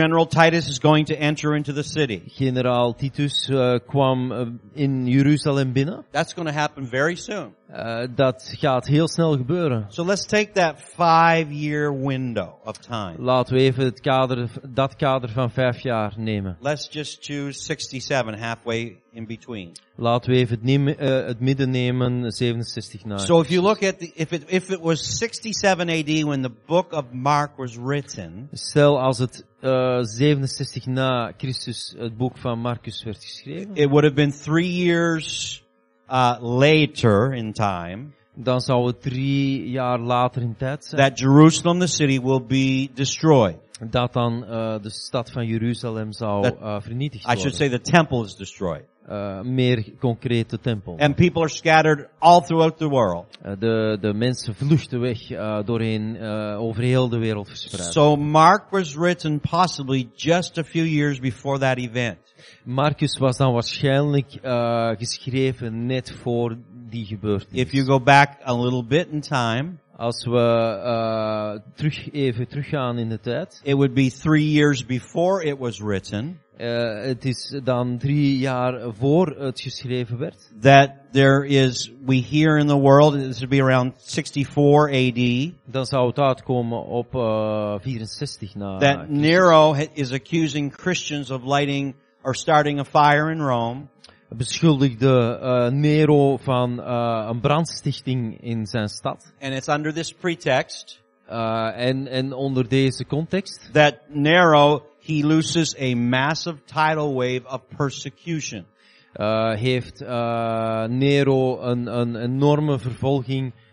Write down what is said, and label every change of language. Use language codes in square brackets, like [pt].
[en] General Titus is going to enter into the city. [nl] Generaal Titus kwam in Jeruzalem binnen. [en] That's going to happen very soon. [nl] Dat gaat heel snel gebeuren. [en] So let's take that 5-year window of time. [nl] Laten we even dat kader van 5 jaar nemen. [en] Let's just choose 67, halfway in between. [nl] Laten we even het midden nemen, 67 na. [en] So if you look at if it was 67 AD when the book of Mark was written. [nl] Stel als het 67 na Christus het boek van Marcus werd geschreven. [en] It would have been 3 years. Later in time, [nl] dan zou het 3 jaar later in tijd zijn. [en] That Jerusalem, the city, will be destroyed. [nl] Dat dan de stad van Jeruzalem zou vernietigd worden. [en] I should say the temple is destroyed. [nl] Meer concreet de tempel. [en] And people are scattered all throughout the world. [nl] De mensen vluchten weg doorheen over heel de wereld verspreid. [en] So Mark was written possibly just a few years before that event. [nl] Marcus was dan waarschijnlijk geschreven net voor die gebeurtenis. [en] If you go back a little bit in time. [nl] Als we teruggaan in de tijd. [en] It would be 3 years before it was written. [nl] Het is dan 3 jaar voor het geschreven werd. [en] That there is, we hear in the world, it would be around 64 AD. [nl] Dan zou het uitkomen op 64 na. [en] That Nero is accusing Christians of lighting or starting a fire in Rome. [nl] Beschuldigde Nero van een brandstichting in zijn stad. [en] And it's under this pretext. [nl] En onder deze context. [en] That Nero, he loses a massive tidal wave of persecution. [nl] Heeft Nero een enorme vervolging